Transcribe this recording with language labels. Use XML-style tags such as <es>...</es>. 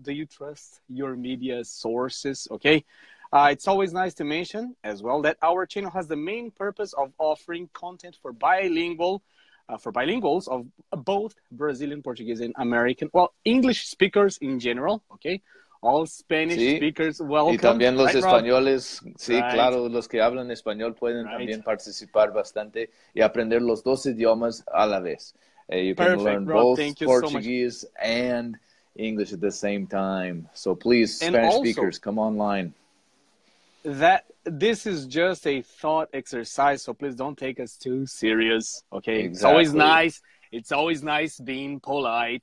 <en>Do you trust your media sources, okay? It's always nice to mention as well that our channel has the main purpose of offering content for bilinguals of both Brazilian, Portuguese, and American, well, English speakers in general, okay? All Spanish speakers, welcome.</en> <es>Y también los españoles, sí, claro, los que hablan español pueden también participar bastante y aprender los dos idiomas a la vez.</es> <en>You can learn both Portuguese and English at the same time. So please, Spanish speakers, come online. That this is just a thought exercise, so please don't take us too serious, okay? Exactly. It's always nice. It's always nice being polite.</en>